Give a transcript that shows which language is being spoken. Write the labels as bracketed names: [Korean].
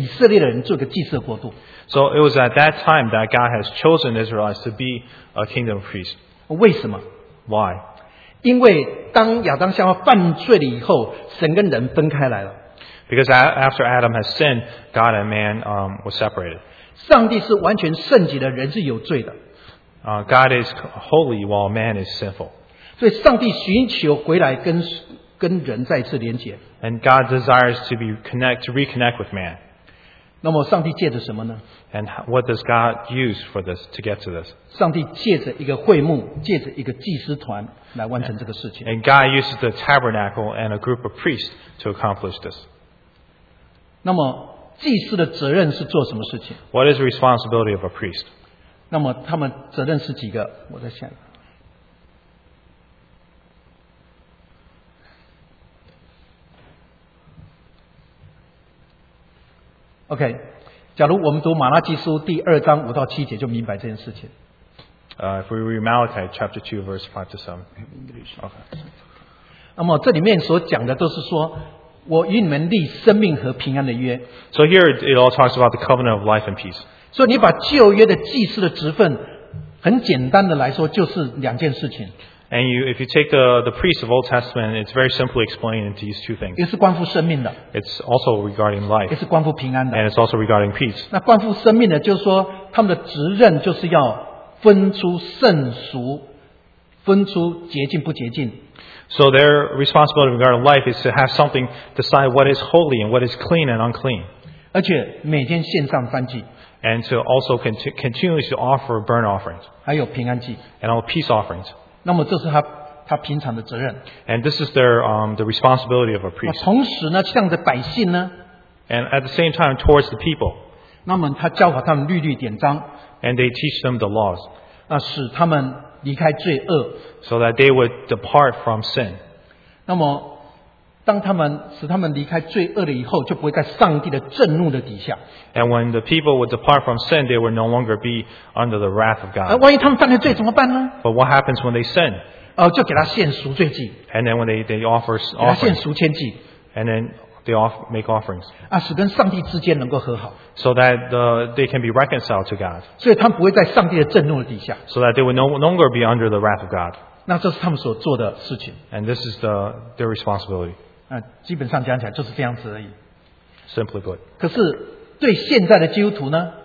[Chinese] 所以那时候，上帝拣选了以色列的人做个祭司的国度。 [English] So it was at that time that God has chosen Israelites to be a kingdom priest. [Chinese] 为什么 [English] ？Why？ [Chinese] 因为当亚当夏娃犯罪了以后，神跟人分开来了。 [English] Because after Adam has sinned, God and man were separated. [Chinese] 上帝是完全圣洁的，人是有罪的。 [English] God is holy while man is sinful. [Chinese] 所以上帝寻求回来跟。跟人再次连结， [English] and God desires to be connect to reconnect with man. [Chinese] 那么上帝借着什么呢？ [English] And what does God use for this to get to this? [Chinese] 上帝借着一个会幕，借着一个祭司团来完成这个事情。 [English] And God uses the tabernacle and a group of priests to accomplish this. [Chinese] 那么祭司的责任是做什么事情？ [English] What is the responsibility of a priest? [Chinese] 那么他们责任是几个？我在想。 OK， 假如我们读马拉基书第二章五到七节，就明白这件事情。 [English] If we read Malachi chapter 2 verse 5 to 7 English. OK. [Chinese] 那么这里面所讲的都是说，我与你们立生命和平安的约。 [English] So here it all talks about the covenant of life and peace. [Chinese] 所以你把旧约的祭司的职分，很简单的来说，就是两件事情。 [English] And you, if you take the priest of Old Testament, it's very simply explained into these two things. [Chinese] 也是关乎生命的。 [English] It's also regarding life. [Chinese] 也是关乎平安的。 [English] And it's also regarding peace. [Chinese] 那关乎生命的，就是说他们的职任就是要分出圣俗，分出洁净不洁净。 [English] So their responsibility regarding life is to have something decide what is holy and what is clean and unclean. [Chinese] 而且每天献上燔祭。 [English] And to also continuously to offer burnt offerings. [Chinese] 还有平安祭。 [English] And all peace offerings. [Chinese] 那么这是他平常的责任。 [English] And this is their the responsibility of a priest. [Chinese] 同时呢，向着百姓呢。 [English] And at the same time towards the people. [Chinese] 那么他教导他们律例典章。 [English] And they teach them the laws. [Chinese] 那使他们离开罪恶。 [English] So that they would depart from sin. [Chinese] 那么当他们使他们离开罪恶了以后，就不会在上帝的震怒的底下。 [English] And when the people would depart from sin, they would no longer be under the wrath of God. [Chinese] 万一他们犯了罪怎么办呢？ [English] But what happens when they sin? [Chinese] 就给他献赎罪祭。 [English] And then when they offer offerings. [Chinese] 给他献赎愆祭。 [English] And then they make offerings. [Chinese] 使跟上帝之间能够和好。 [English] So that they can be reconciled to God. [Chinese] 所以他们不会在上帝的震怒的底下。 [English] So that they would no longer be under the wrath of God. [Chinese] 那这是他们所做的事情。 [English] And this is their responsibility. [Chinese] 基本上讲起来就是这样子而已。 [English] Simply put. [Chinese] 可是对现在的基督徒呢？